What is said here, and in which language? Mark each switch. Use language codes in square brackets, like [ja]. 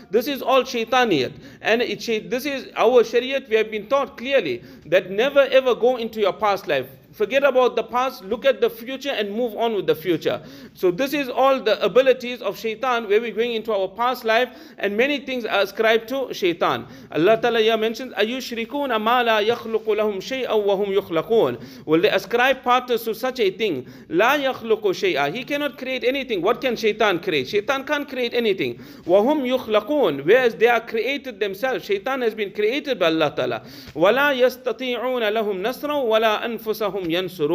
[en] This is all shaitaniyat. And this is our shariat. We have been taught clearly that never ever go into your past life. Forget about the past, look at the future and move on with the future. So this is all the abilities of shaitan, where we're going into our past life and many things are ascribed to shaitan. Allah Ta'ala mentions, [ar] أَيُشْرِكُونَ مَا لَا يَخْلُقُ لَهُمْ شَيْئًا وَهُمْ يُخْلَقُونَ. [en] Will they ascribe partners to such a thing? [ar] لَا يَخْلُقُ شَيْئًا. [en] He cannot create anything. What can shaitan create? Shaitan can't create anything. [ar] وَهُمْ يُخْلَقُونَ. [en] Whereas they are created themselves. Shaitan has been created by Allah Ta'ala. [ar] وَلَا يَسْتَطِيعُونَ لَهُمْ نَصْرًا وَلَا أَنفُسَهُمْ.